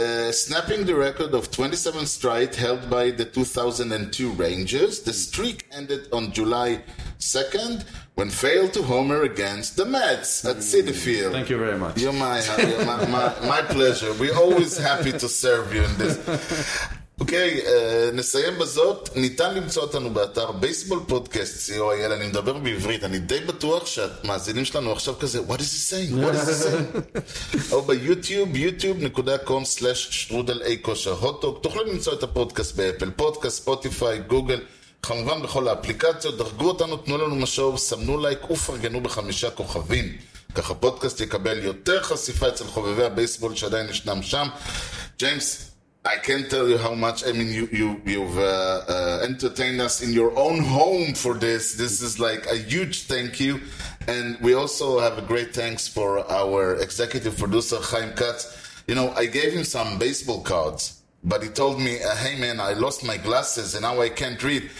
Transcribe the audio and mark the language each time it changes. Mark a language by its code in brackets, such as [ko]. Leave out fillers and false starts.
[en] Snapping the record of 27 strikes held by the 2002 Rangers, the streak ended on July 2nd when failed to homer against the Mets at City Field. Thank you very much. You're my, my pleasure. We're always happy to serve you in this. [he] אוקיי, נסיים בזאת. ניתן למצוא אותנו באתר בייסבול פודקאסט COIL. אני מדבר בעברית, אני די בטוח שהמאזינים שלנו עכשיו כזה, [en] what is he saying? What is he saying? [he] או ביוטיוב, youtube.com/strudel-a-kosher-hot-dog. תוכלו למצוא את הפודקאסט באפל פודקאסט, ספוטיפיי, גוגל, כמובן בכל האפליקציות. דרגו אותנו, תנו לנו משוב, סמנו לייק ופרגנו בחמישה כוכבים, כך הפודקאסט יקבל יותר חשיפה אצל חובבי הבייסבול שעדיין ישנם שם. [en] ג'יימס, I can't tell you how much, I mean, you've entertained us in your own home for this. This is like a huge thank you. And we also have a great thanks for our executive producer, Chaim Katz. You know, I gave him some baseball cards, but he told me, hey man, I lost my glasses and now I can't read.